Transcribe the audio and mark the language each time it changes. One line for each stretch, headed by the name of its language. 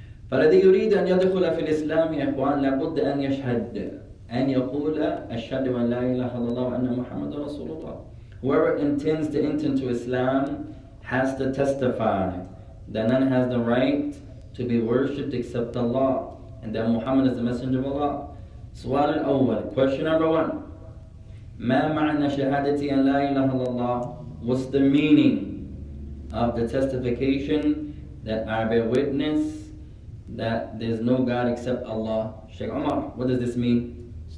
Arabic: فَالَذِي يُرِيدَ أَنْ يَدْخُلَ فِي الْإِسْلَامِ يَخْوَانَ لَبُدَّ أَنْ يَشْهَدَ أَنْ يَقُولَ أَشْهَدُ وَنْ لَا إِلَهَ اللَّهُ أَنَّ مُحَمَّدَ رَسُولُ اللَّهُ.
English: Whoever intends to enter into Islam has to testify that none has the right to be worshipped except Allah and that Muhammad is the Messenger of Allah.
Arabic: سؤال الأول,
English: question number one.
Arabic: ما معنى شهادتي أن لا إله إلا الله?
English: What's the meaning of the testification that I bear witness that there's no God except Allah? Sheikh Omar, what does this mean?